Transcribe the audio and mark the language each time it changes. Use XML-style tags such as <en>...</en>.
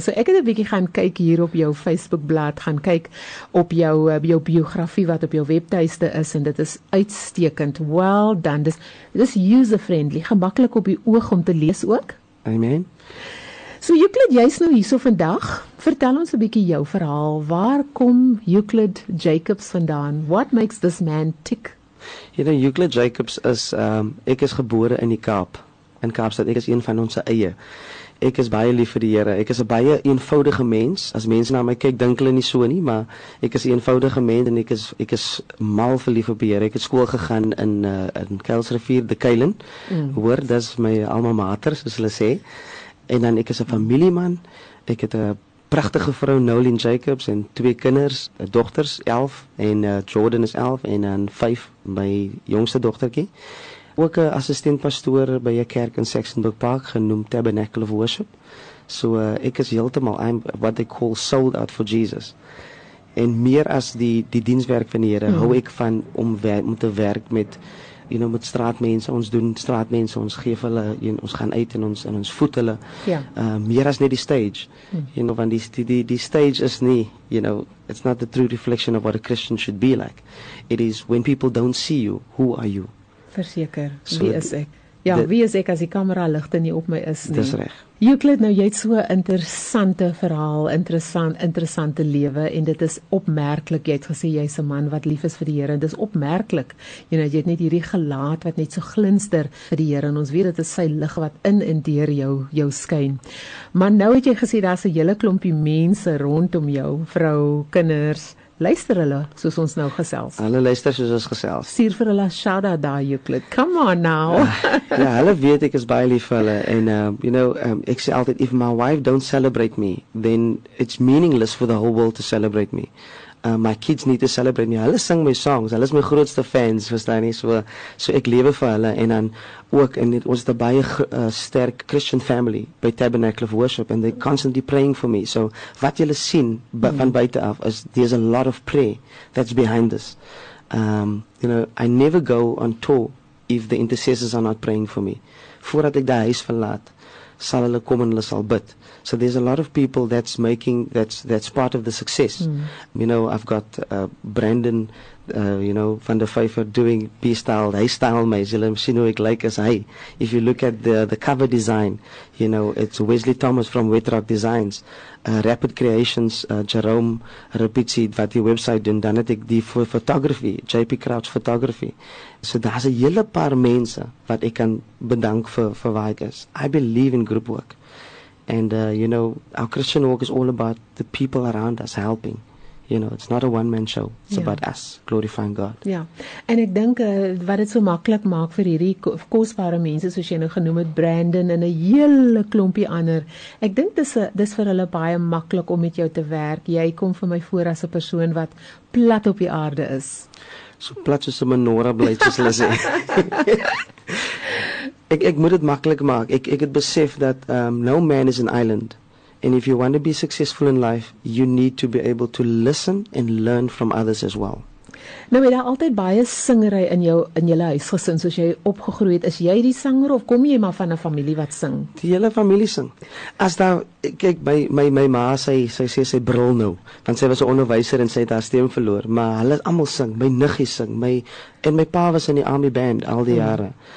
<af>So ek het 'n bietjie gaan kyk hier op jou Facebookblad, gaan kyk op jou biografie wat op jou webtuiste is, en dit is uitstekend.</af> <en>Well done.</en> <af>Dis user-friendly, gemakkelijk op die oog om te lees ook. Amen. So Euclid, jy is nou hier so vandag. Vertel ons 'n bietjie jou verhaal. Waar kom Euclid Jacobs vandaan?</af> <en>What makes this man tick? You know,</en> <af>Euclid Jacobs is, ek is gebore in die Kaap. In Kaapstad, ek is een van ons eie. Ek is baie lief vir die Here. Ek is 'n baie eenvoudige mens. As mense na my kyk, dink hulle nie so nie, maar ek is 'n eenvoudige mens en ek is mal vir lief vir die Here. Ek het skool gegaan in Kuilsrivier, De Kuilen. Hoor, dis my alma mater, soos hulle sê. En dan ek is 'n familieman. Ek het 'n pragtige vrou, Nolene Jacobs, en twee kinders, dogters, 11, en Jordan is 11, en dan 5, my jongste dogtertjie. Ook een assistentpastoor by een kerk in Saxonburg Park, genoemd Tabernacle of Worship. So ek is heeltemal,</af> <en>I'm what they call sold out for Jesus.</en> <af>En meer as die dienswerk van die Here, hou ek van om te werk met,</af> <en>you know,</en> <af>met straatmense. Ons doen straatmense, ons geef hulle,</af> <en>you know,</en> <af>ons gaan uit en ons voed hulle.</af> <en>Yeah.</en> <af>Meer as net die stage. Mm.</af> <en>You know,</en> <af>want die stage is nie,</af> <en>you know, it's not the true reflection of what a Christian should be like. It is when people don't see you, who are you?</en> <af>Verseker, wie is ek? Ja, wie is ek as die kamera ligte nie op my is nie? Dis reg. Euclid, nou jy het so interessante verhaal, interessante lewe, en dit is opmerklik, jy het gesê, jy is 'n man wat lief is vir die Here, en dit is opmerklik, jy nou, jy het net hierdie gelaat wat net so glinster vir die Here, en ons weet, dit is sy lig wat in en deur jou skyn. Maar nou het jy gesê, daar is 'n hele klompie mense rondom jou, vrou, kinders, luister hulle, soos ons nou gesels. Hulle luister soos ons gesels. Stuur vir hulle shout-out daar, Euclid.</af> <en>Come on now.</en> <af>Ja, hulle weet, ek is baie lief vir hulle.</af> <en>En, you know,</en> <af>ek sê altyd,</af> <en>if my wife don't celebrate me, then it's meaningless for the whole world to celebrate me. My kids need to celebrate me.</en> <af>Hulle sing my songs. Hulle is my grootste fans, verstaan nie? So ek lewe vir hulle. En dan ook, en het ons baie sterk Christian family by Tabernacle of Worship,</af> <en>and they're constantly praying for me.</en> <af>So wat julle sien van buiten af,</af> <en>is there's a lot of prayer that's behind this. You know, I never go on tour if the intercessors are not praying for me.</en> <af>Voordat ek die huis verlaat, sal hulle kom en hulle sal bid.</af> <en>So there's a lot of people that's part of the success. Mm. You know, I've got Brandon, you know, van der Vyver doing B-style.</en> <af>Hy style my, as julle sien hoe ek like as hy.</af> <en>If you look at the cover design, you know, it's Wesley Thomas from Wet Rock Designs.</en> <af>Rapid Creations, Jerome Rapitsi, wat die website doen. Dan het ek die photography, JP Crouch Photography. So daar's 'n hele paar mense wat ek kan bedank vir waar ek is.</af> <en>I believe in group work. And, you know, our Christian work is all about the people around us helping. You know, it's not a one-man show. It's about us glorifying God.</en> <af>Ja, en ek dink wat het so makkelijk maak vir hierdie kostbare mense, soos jy nou genoem het, Brandon en 'n hele klompie ander. Ek dink dis vir hulle baie makkelijk om met jou te werk. Jy kom vir my voor as 'n persoon wat plat op die aarde is. So plat soos 'n menorah bly, soos hulle sê. Ek moet het makkelijk maak. Ek het besef dat</af> <en>no man is an island. And if you want to be successful in life, you need to be able to listen and learn from others as well.</en> <af>Nou, het daar altyd baie singery in jou huisgesin, soos jy opgegroeid. Is jy die singer of kom jy maar van 'n familie wat sing? Die hele familie sing. As daar, kyk, my ma, sy sê, sy brul nou, want sy was 'n onderwyser en sy het haar stem verloor, maar hulle allemaal sing, my niggie sing, my pa was in die army band al die jare.</af>